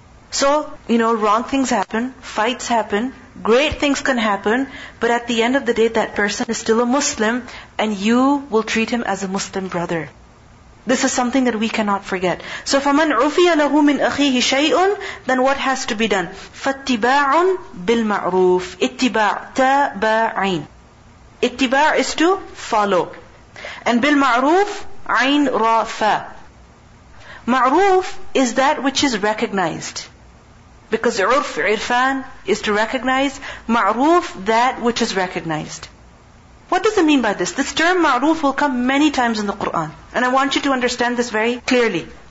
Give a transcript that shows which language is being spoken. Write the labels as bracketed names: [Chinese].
[English] So, you know, wrong things happen, fights happen, great things can happen, but at the end of the day, that person is still a Muslim, and you will treat him as a Muslim brother. This is something that we cannot forget. So, [Arabic] فَمَنْ عُفِيَ لَهُ مِنْ أَخِيهِ شَيْءٌ [English] Then what has to be done? [Arabic] فَاتِّبَاعٌ بِالْمَعْرُوفِ اتِّبَاعٌ اتِّبَاعٌ [English] is to follow. And [Arabic] بِالْمَعْرُوفِ عَيْنْ رَافَ [English] Ma'roof is that which is recognized. Because urf, irfan, is to recognize. Ma'roof, that which is recognized. What does it mean by this? This term ma'roof will come many times in the Qur'an. And I want you to understand this very clearly.